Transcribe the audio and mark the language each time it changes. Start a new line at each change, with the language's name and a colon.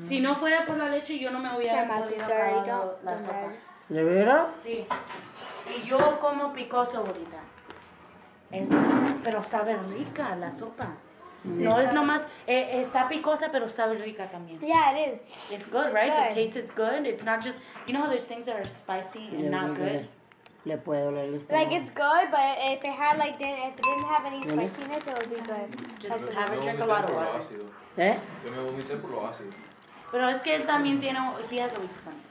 Spanish: Si no fuera por la leche, yo no me hubiera podido pagar la sopa. ¿De veras? Sí. Y yo como picoso ahorita. Es, pero sabe rica la sopa. Sí, no es nomás, está picosa, pero sabe rica también.
English: Yeah, it is. It's good, right? Good. The taste is good. It's not just, you know how there's things that are spicy and not good?
Spanish: Good. Le puede doler el estómago.
English: Like it's good, but if it had like the, if it didn't have any spiciness, it would be good. Just have a drink a lot of water.
Spanish: ¿Eh? Yo me vomité por lo ácido. Pero es que él también tiene,
English: he has a weak stomach.